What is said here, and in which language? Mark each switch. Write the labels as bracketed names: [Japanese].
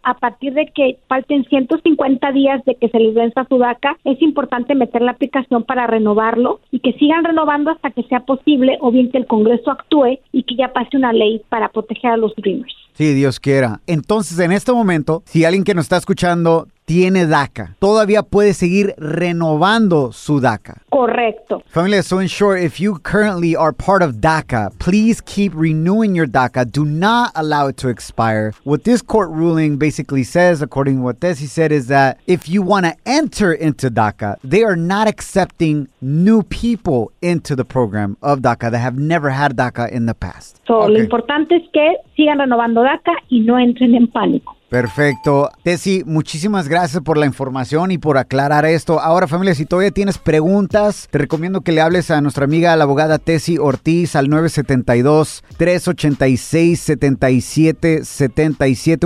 [Spanish] A partir de que falten 150 días de que se les venza su DACA, es importante meter la aplicación para renovarlo y que sigan renovando hasta que sea posible, o bien que el Congreso actúe y que ya pase una ley para proteger a los Dreamers. Sí, Dios quiera. Entonces, en este momento, si alguien que nos está escuchando tiene DACA, todavía puede seguir renovando su DACA. Correcto. Familia, [English] so in short, if you currently are part of DACA, please keep renewing your DACA. Do not allow it to expire. What this court ruling basically says, according to what Desi said, is that if you want to enter into DACA, they are not accepting new people into the program of DACA that have never had DACA in the past. So, okay. [Spanish] Lo importante es que sigan renovando DACA y no entren en pánico. Perfecto. Desi, muchísimas gracias por la información y por aclarar esto. Ahora, familia, si todavía tienes preguntas, te recomiendo que le hables a nuestra amiga, la abogada Desi Ortiz, al 972-386-7777.